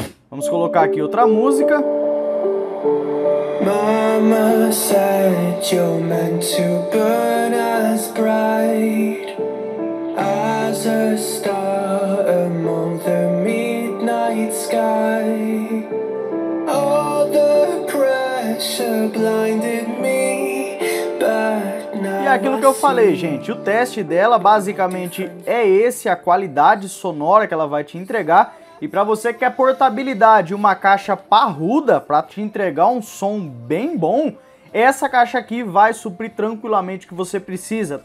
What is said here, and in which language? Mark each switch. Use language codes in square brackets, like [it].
[pt] Vamos colocar aqui outra música. [en] Mama said you're meant to burn as bright as a star among the midnight sky. All the pressure blinded me, but now. [pt] E aquilo que eu falei, gente, o teste dela basicamente é esse, a qualidade sonora que ela vai te entregar. E para você que quer portabilidade, uma caixa parruda para te entregar um som bem bom, essa caixa aqui vai suprir tranquilamente o que você precisa.